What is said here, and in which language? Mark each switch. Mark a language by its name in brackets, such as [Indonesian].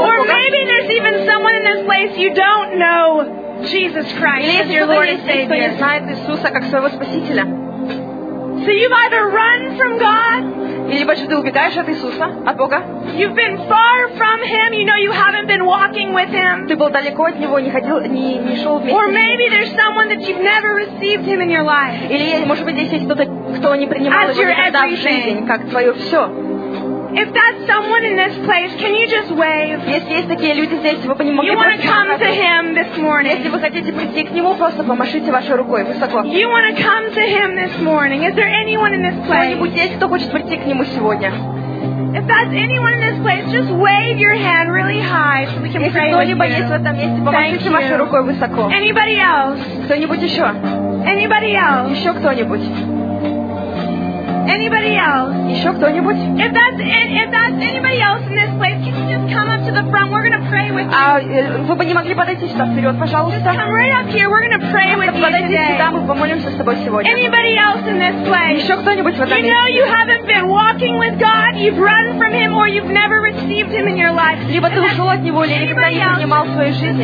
[Russian] от Бога, [English] or maybe there's even someone in this place you don't know Jesus Christ as your Lord and Savior. [Russian] Или если кто-то не знает Иисуса как своего спасителя. [English] So you've either run from God. [Russian] Либо же ты убегаешь от Иисуса, от Бога. [English] You've been far from Him. You know you haven't been walking with Him. [Russian] Ты был далеко от Него, не ходил, не шел вместе. [English] Or maybe there's someone that you've never received Him in your life. [Russian] Или, может быть, здесь есть кто-то, кто не принимал Его никогда в жизнь, как твое все. [English] If that's someone in this place, can you just wave? [Russian] Если есть такие люди здесь, вы бы не могли. [English] You want to come to Him this morning? [Russian] Если вы хотите прийти к нему, просто помашите вашей рукой высоко. [English] You want to come to Him this morning? Is there anyone in this place? [Russian] Кто-нибудь здесь, кто хочет прийти к нему сегодня? [English] If that's anyone in this place, just wave your hand really high so we can pray with you. [Russian] Если кто-нибудь есть в этом месте, помашите вашей рукой высоко. [English] Anybody else? [Russian] Кто-нибудь еще? [English] Anybody else? [Russian] Еще кто-нибудь? [English] Anybody else? [Russian] Еще кто-нибудь? [English] If that's anybody else in this place, can you just come up to the front? We're gonna pray with you. [Russian] Вы бы не могли подойти сюда вперед, пожалуйста? [English] Just come right up here. We're gonna pray with you today. [Russian] Подойдите сюда, мы помолимся с тобой сегодня. [English] Anybody else in this place? [Russian] Еще кто-нибудь в этом месте? [English] You know you haven't been walking with God. You've run from Him, or you've never received Him in your life. [Russian] Либо ты ушел от Него, или никогда не принимал в своей жизни.